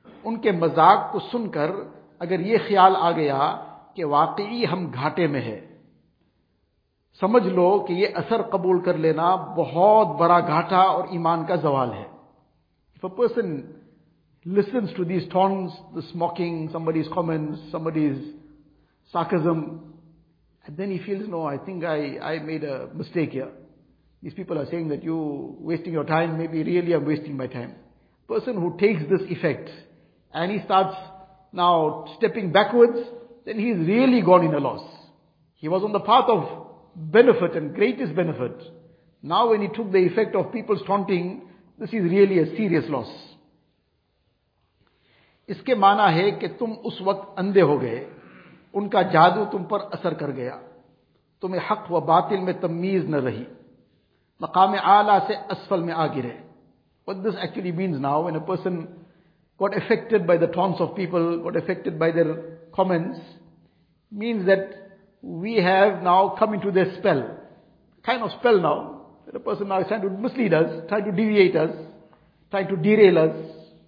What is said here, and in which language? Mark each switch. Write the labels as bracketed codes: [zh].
[hi] उनके मजाक को सुनकर अगर ये ख्याल आ गया कि वाकई हम घाटे में है, समझ लो कि ये असर कबूल कर लेना बहुत बड़ा घाटा और ईमान का जवाल है. [en] If a person listens to these taunts, the smoking, somebody's comments, somebody's sarcasm, and then he feels, no, I think I made a mistake here. These people are saying that you're wasting your time, maybe really I'm wasting my time. Person who takes this effect, and he starts now stepping backwards, then he's really gone in a loss. He was on the path of benefit and greatest benefit. Now when he took the effect of people's taunting, this is really a serious loss. [hi] Iske maana hai ke tum us waqt andhe ho gaye, उनका जादू तुम पर असर कर गया, तुम्हें हक व बातिल में तमीज न रही, मकाम आला से असफल में आ गिरे. [en] What this actually means now, when a person got affected by the taunts of people, got affected by their comments, means that we have now come into their spell, kind of spell now, that a person now is trying to mislead us, trying to deviate us, trying to derail us.